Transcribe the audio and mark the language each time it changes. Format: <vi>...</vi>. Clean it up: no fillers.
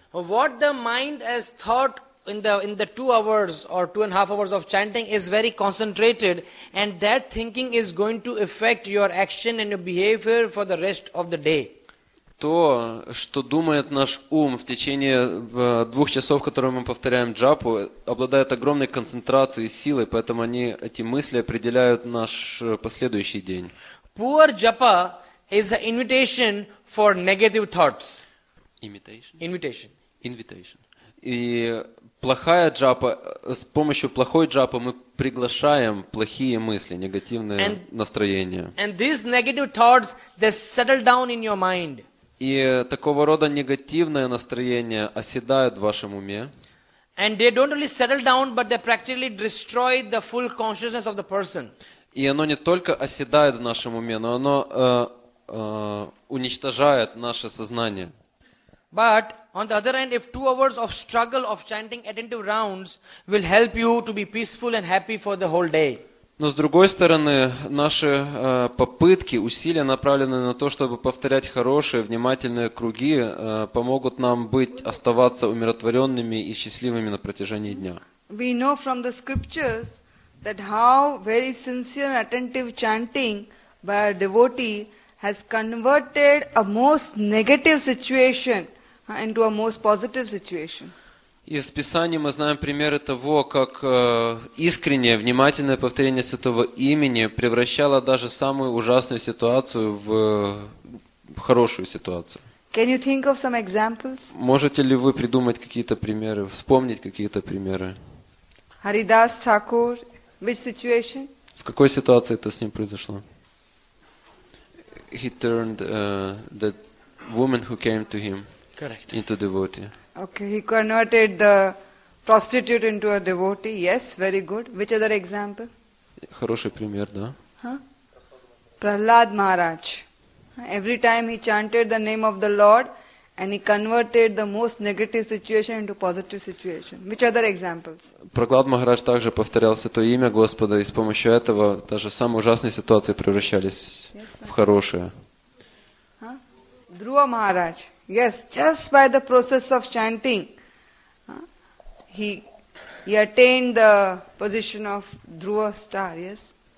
<en>What the mind has thought in the 2 hours or 2.5 hours of chanting is very concentrated, and that thinking is going to affect your action and your behavior for the rest of the day.</en> <ru>То, что думает наш ум в течение 2 часов, которые мы повторяем джапу, обладает огромной концентрацией и силой, поэтому эти мысли определяют наш последующий день.</ru> <en>Poor japa is an invitation for negative thoughts. Invitation.</en> <ru>И плохая джапа, с помощью плохой джапы мы приглашаем плохие мысли, негативные настроения.</ru> <en>And these negative thoughts, they settle down in your mind.</en> <ru>И такого рода негативное настроение оседает в вашем уме.</ru> <en>And they don't only settle down, but they practically destroy the full consciousness of the person.</en> <ru>И оно не только оседает в нашем уме, но оно уничтожает наше сознание.</ru> <en>But on the other hand, if 2 hours of struggle of chanting attentive rounds will help you to be peaceful and happy for the whole day.</en> <ru>Но с другой стороны, наши попытки, усилия, направленные на то, чтобы повторять хорошие, внимательные круги, помогут нам быть, оставаться умиротворенными и счастливыми на протяжении дня.</ru> <en>We know from the scriptures that how very sincere attentive chanting by a devotee has converted a most negative situation into a most positive situation.</en> <ru>Из Писания мы знаем примеры того, как искреннее, внимательное повторение Святого Имени превращало даже самую ужасную ситуацию в хорошую ситуацию.</ru> <en>Can you think of some examples?</en> <ru>Можете ли вы придумать какие-то примеры, вспомнить какие-то примеры?</ru> <en>Haridas Thakur, which situation?</en> <ru>В какой ситуации это с ним произошло?</ru> <en>he turned the woman who came to him correct into devotee. Okay, he converted the prostitute into a devotee. Yes, very good. Which other example?</en> <ru>Хороший пример, да?</ru> <en>Prahlad Maharaj. Every time he chanted the name of the Lord and he converted the most negative situation into positive situation. Which other examples?</en> <ru>Prahlad Maharaj также повторялся то имя Господа и с помощью этого даже самые ужасные ситуации превращались в хорошие.</ru> <en>Dhruva Maharaj. Yes, just by the process of chanting, he attained the position of Dhruva star, yes?</en>